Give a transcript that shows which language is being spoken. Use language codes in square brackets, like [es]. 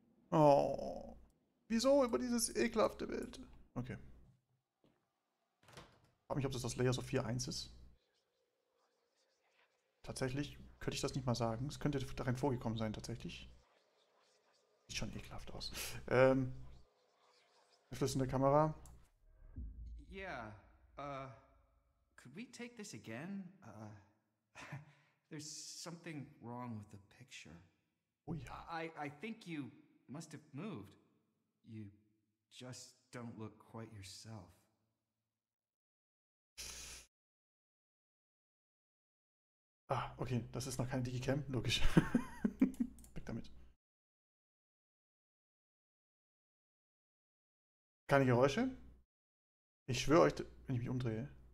[de] Oh. Wieso über dieses ekelhafte Bild? Okay. Frag mich, ob das Layers of Fear 1 ist. Tatsächlich könnte ich das nicht mal sagen. Es könnte darin vorgekommen sein, tatsächlich. Sieht schon ekelhaft aus. Flüssende Kamera. [en] Yeah, could we take this again? There's something wrong with the picture. [de] Oh ja. [en] I think you must have moved. You just don't look quite yourself. [de] Ah, okay, das ist noch kein Digicam, logisch. Weg damit. Keine Geräusche? Ich schwöre euch, wenn ich mich umdrehe.